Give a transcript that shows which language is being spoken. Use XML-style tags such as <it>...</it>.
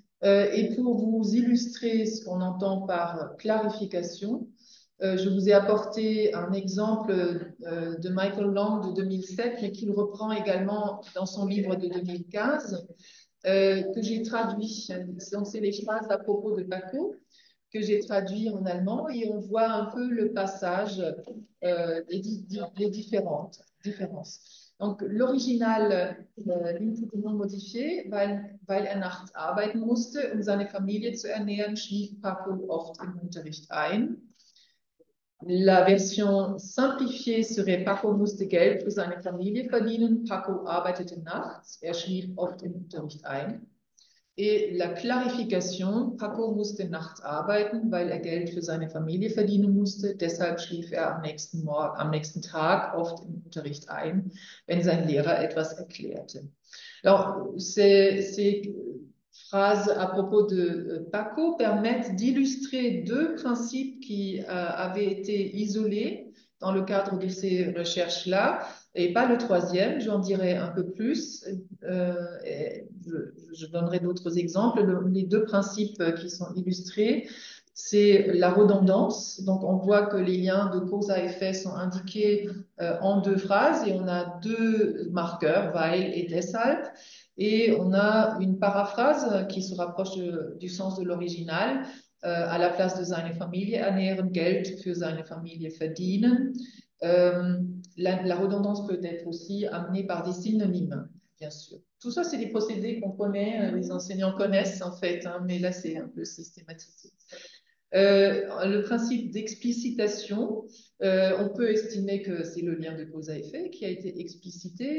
<fr>Et pour vous illustrer ce qu'on entend par clarification, je vous ai apporté un exemple de Michael Lang de 2007, mais qu'il reprend également dans son livre de 2015, que j'ai traduit. Donc, c'est les phrases à propos de Paco que j'ai traduit en allemand et on voit un peu le passage, les différences. Donc, l'original, l'input non modifié,</fr> <de>weil er nachts arbeiten musste, um seine Familie zu ernähren, schlief Paco oft im Unterricht ein.</de> <fr>La version simplifiée serait</fr> <de>Paco musste Geld für seine Familie verdienen, Paco arbeitete nachts, er schlief oft im Unterricht ein.</de> <fr>Et la clarification,</fr> <de>Paco musste nachts arbeiten, weil er Geld für seine Familie verdienen musste. Deshalb schlief er am nächsten Tag oft im Unterricht ein, wenn sein Lehrer etwas erklärte.</de> <fr>Alors, ces phrases à propos de Paco permettent d'illustrer deux principes qui avaient été isolés dans le cadre de ces recherches-là. Et pas le troisième, j'en dirai un peu plus. Je donnerai d'autres exemples. Les deux principes qui sont illustrés, c'est la redondance. Donc, on voit que les liens de cause à effet sont indiqués en deux phrases et on a deux marqueurs, weil et deshalb. Et on a une paraphrase qui se rapproche du sens de l'original. À la place de</fr> <de>seine Familie ernähren, Geld für seine Familie verdienen.</de> <fr>La redondance peut être aussi amenée par des synonymes, bien sûr. Tout ça, c'est des procédés qu'on connaît, les enseignants connaissent en fait, hein, mais là, c'est un peu systématisé. Le principe d'explicitation, on peut estimer que c'est le lien de cause à effet qui a été explicité.</fr>